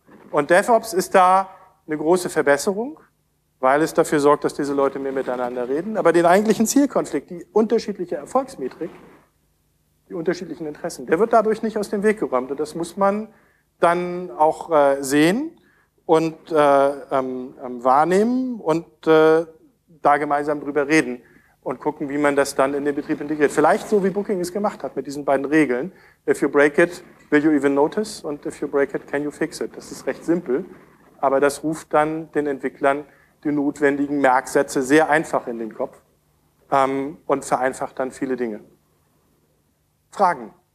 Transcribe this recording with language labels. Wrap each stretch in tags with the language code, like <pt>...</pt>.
<de>Und DevOps ist da eine große Verbesserung, weil es dafür sorgt, dass diese Leute mehr miteinander reden, aber den eigentlichen Zielkonflikt, die unterschiedliche Erfolgsmetrik, die unterschiedlichen Interessen, der wird dadurch nicht aus dem Weg geräumt und das muss man dann auch sehen und wahrnehmen und da gemeinsam drüber reden und gucken, wie man das dann in den Betrieb integriert. Vielleicht so, wie Booking es gemacht hat mit diesen beiden Regeln.</de> <en>If you break it, will you even notice? Und if you break it, can you fix it?</en> <de>Das ist recht simpel, aber das ruft dann den Entwicklern die notwendigen Merksätze sehr einfach in den Kopf und vereinfacht dann viele Dinge. Fragen?</de>